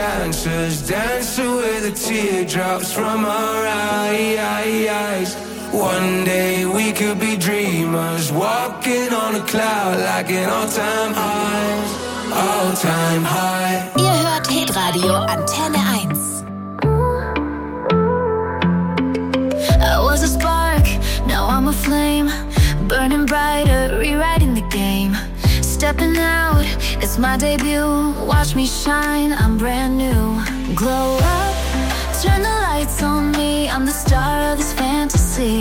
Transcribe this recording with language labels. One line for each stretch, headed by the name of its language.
English: Dance away the teardrops from our eyes. One day we could be dreamers, walking on a cloud like an all-time high. All-time high.
German: Ihr hört Hitradio Antenne 1.
English: I was a spark, now I'm a flame. Burning brighter, rewriting the game. Stepping out, it's my debut. Watch me shine, I'm brand new. Glow up, turn the lights on me. I'm the star of this fantasy.